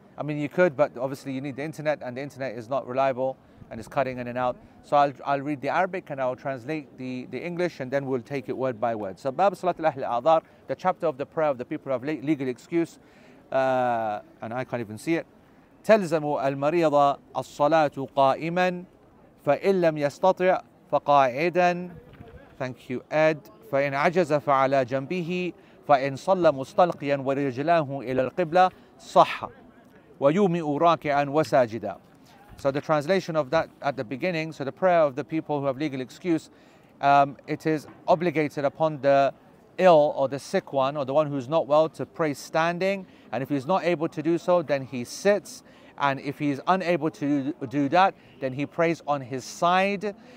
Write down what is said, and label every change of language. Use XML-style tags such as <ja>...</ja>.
<en>I mean, you could, but obviously you need the internet, and the internet is not reliable, and it's cutting in and out. So I'll read the Arabic, and I'll translate the English, and then we'll take it word by word. So Bab Salat al-Ahl al-Adhar, the chapter of the prayer of the people of legal excuse, and I can't even see it.</en> <ar>تلزم المريض الصلاة قائما فإن لم يستطع فقاعدا.</ar> <en>Thank you, Ed.</en> <ar>فإن عجز فعلى جنبه فإن صلى مستلقيا ورجلاه إلى القبلة صح ويومئ راكعا وساجدا.</ar> <en>So the translation of that at the beginning, so the prayer of the people who have legal excuse, it is obligated upon the ill or the sick one or the one who's not well to pray standing. And if he's not able to do so, then he sits. And if he's unable to do that, then he prays on his side.</en>